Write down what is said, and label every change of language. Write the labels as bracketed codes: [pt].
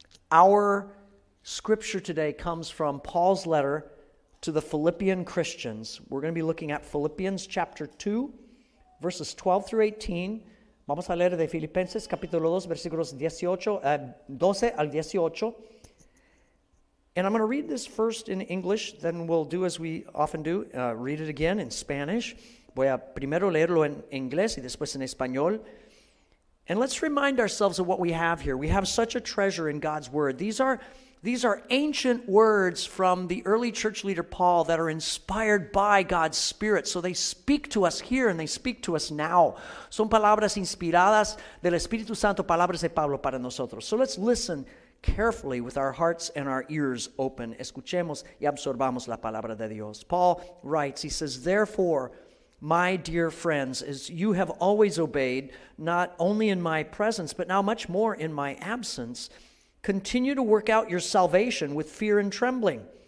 [en] Our scripture today comes from Paul's letter to the Philippian Christians. We're going to be looking at Philippians chapter 2, verses 12 through 18. [es] Vamos a leer de Filipenses, capítulo 2, versículos 12 al 18. [en] And I'm going to read this first in English, then we'll do as we often do, read it again in Spanish. [es] Voy a primero leerlo en inglés y después en español. [en] And let's remind ourselves of what we have here. We have such a treasure in God's Word. These are ancient words from the early church leader Paul that are inspired by God's Spirit. So they speak to us here and they speak to us now. [es] Son palabras inspiradas del Espíritu Santo, palabras de Pablo para nosotros. [en] So let's listen carefully with our hearts and our ears open. [es] Escuchemos y absorbamos la palabra de Dios. [en] Paul writes, he says, "Therefore, my dear friends, as you have always obeyed, not only in my presence, but now much more in my absence, continue to work out your salvation with fear and trembling.